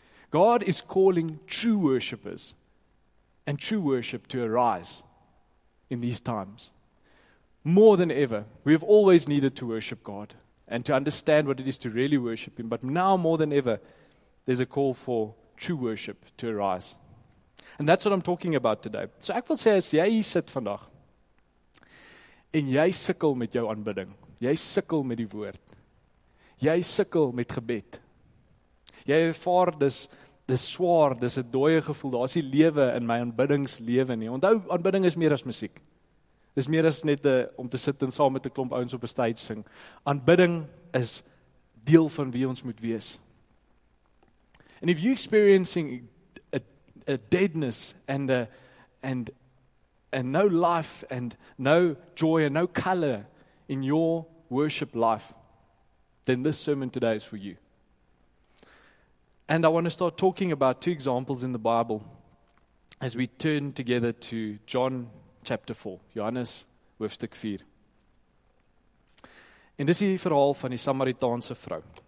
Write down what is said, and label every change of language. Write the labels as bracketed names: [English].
[English] God is calling true worshippers and true worship to arise in these times. More than ever, we have always needed to worship God and to understand what it is to really worship him. But now more than ever, there's a call for true worship to arise. And that's what I'm talking about today. [Afrikaans] So ek wil sê, as jy hier sit vandag en jy sukkel met jou aanbidding, jy sukkel met die woord, jy sukkel met gebed, jy ervaar dis swaar, dis 'n dooie gevoel, daar is die lewe in my aanbiddingslewe nie. Onthou, aanbidding is meer as musiek. Dis meer as net om te sit en saam met 'n klomp ouens op 'n stage sing. Aanbidding is deel van wie ons moet wees. [English] And if you experiencing a deadness and no life and no joy and no color in your worship life, then this sermon today is for you. And I want to start talking about two examples in the Bible as we turn together to John chapter 4, [Afrikaans] Johannes hoofstuk 4. En dis die verhaal van die Samaritaanse vrou.